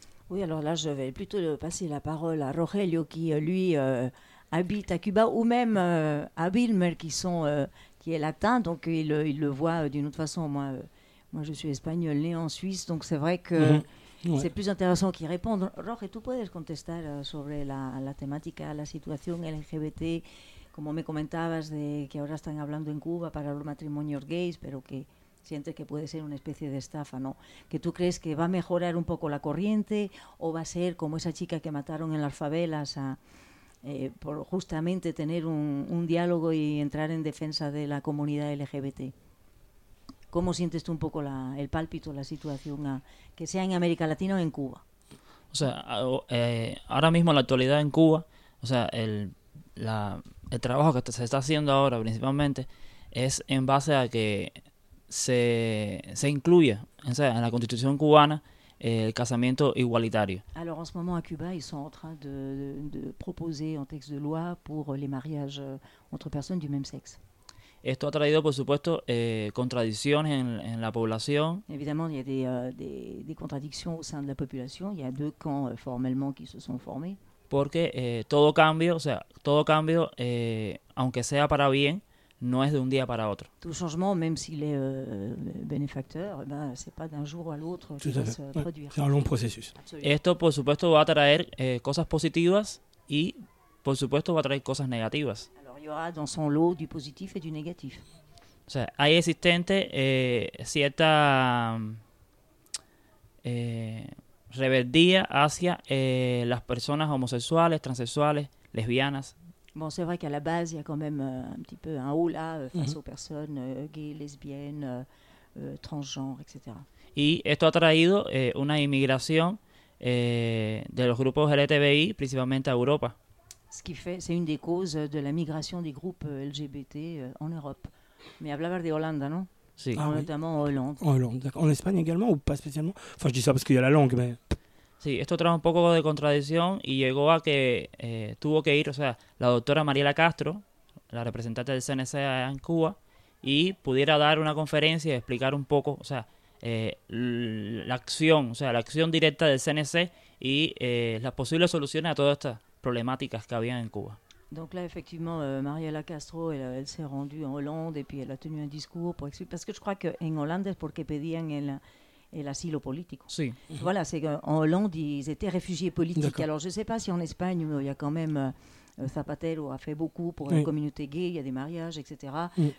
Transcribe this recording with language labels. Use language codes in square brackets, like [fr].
[fr] Oui, alors là, je vais plutôt passer la parole à Rogelio, qui, lui, habite à Cuba, ou même à Wilmer, qui est latin, donc il le voit d'une autre façon. Moi, je suis espagnol, né en Suisse, donc c'est vrai que c'est plus intéressant qu'il réponde. [es] Roge, tu puedes contestar sobre la temática, la situación LGBT, como me comentabas, de que ahora están hablando en Cuba para los matrimonios gays, pero que... Sientes que puede ser una especie de estafa, ¿no? ¿Que tú crees que va a mejorar un poco la corriente o va a ser como esa chica que mataron en las favelas por justamente tener un diálogo y entrar en defensa de la comunidad LGBT? ¿Cómo sientes tú un poco el pálpito, la situación, que sea en América Latina o en Cuba? O sea, ahora mismo la actualidad en Cuba, o sea, el trabajo que se está haciendo ahora principalmente es en base a que se incluye, o sea, en la Constitución cubana el casamiento igualitario. [fr] Alors en ce moment à Cuba, ils sont en train de proposer un texte de loi pour les mariages entre personnes du même sexe. [es] Esto ha traído, por supuesto, contradicciones en la población. [fr] Évidemment, il y a des contradictions au sein de la population. Il y a deux camps formellement qui se sont formés. [es] Porque todo cambio, aunque sea para bien, no es de un día para otro. [fr] Tout changement, même s'il est bénéfacteur, ben c'est pas d'un jour à l'autre que va se produire. C'est un long processus. Absolument. [es] Esto, por supuesto, va a traer cosas positivas y, por supuesto, va a traer cosas negativas. [fr] Alors, il y aura dans son lot du positif et du négatif. [es] O sea, hay existente cierta rebeldía hacia las personas homosexuales, transexuales, lesbianas. [fr] Bon, c'est vrai qu'à la base, il y a quand même un petit peu un holà face aux personnes gays, lesbiennes, transgenres, etc. [es] Y esto ha traído una inmigración de los grupos LGBTI, principalmente a Europa. [fr] Ce qui fait, c'est une des causes de la migration des groupes LGBT en Europe. [es] Mais hablabas de Holanda, non? Sí. [fr] Ah, notamment oui. En Hollande. D'accord. En Espagne également, ou pas spécialement? Enfin, je dis ça parce qu'il y a la langue, mais... [es] Sí, esto trajo un poco de contradicción y llegó a que tuvo que ir, o sea, la doctora Mariela Castro, la representante del CNC en Cuba, y pudiera dar una conferencia y explicar un poco, o sea, la acción directa del CNC y las posibles soluciones a todas estas problemáticas que había en Cuba. [fr] Donc là, effectivement, Mariela Castro, elle s'est rendue en Hollande et puis elle a tenu un discours pour expliquer, parce que je crois que en Hollande, [es] porque pedían el asilo político. Sí. [fr] Voilà, c'est en Hollande, ils étaient réfugiés politiques. D'accord. Alors, je ne sais pas si en Espagne, il y a quand même Zapatero a fait beaucoup pour la communauté gay, il y a des mariages, etc. Oui.